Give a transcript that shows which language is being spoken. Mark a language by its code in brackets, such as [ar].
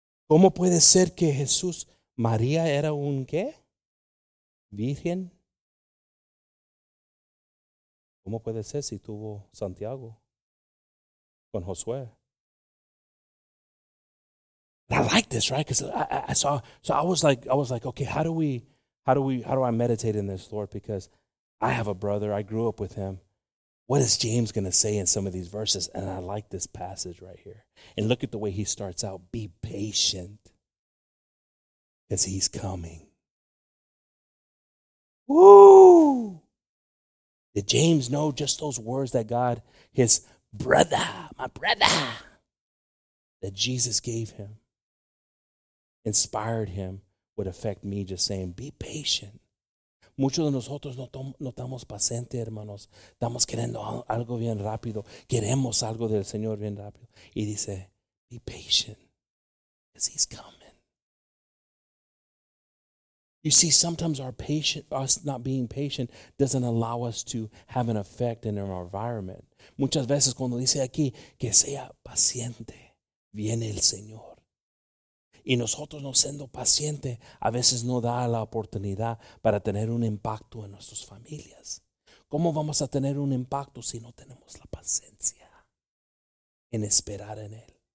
[es] ¿Cómo puede ser que Jesús María era un qué? Virgen. ¿Cómo puede ser si tuvo Santiago con Josué? [en] I like this, right? Because I was like, okay, how do I meditate in this, Lord? Because I have a brother. I grew up with him. What is James going to say in some of these verses? And I like this passage right here. And look at the way he starts out. Be patient, because he's coming. Woo! Did James know just those words that God, his brother, my brother, that Jesus gave him, inspired him, would affect me just saying, be patient. [es] Muchos de nosotros no estamos pacientes, hermanos. Estamos queriendo algo bien rápido. Queremos algo del Señor bien rápido. Y dice, [en] be patient, because he's coming. You see, sometimes our patient, us not being patient doesn't allow us to have an effect in our environment. [es] Muchas veces cuando dice aquí, que sea paciente, viene el Señor. Y nosotros no siendo paciente, a veces no da la oportunidad para tener un impacto en nuestras familias. ¿Cómo vamos a tener un impacto si no tenemos la paciencia en esperar en Él?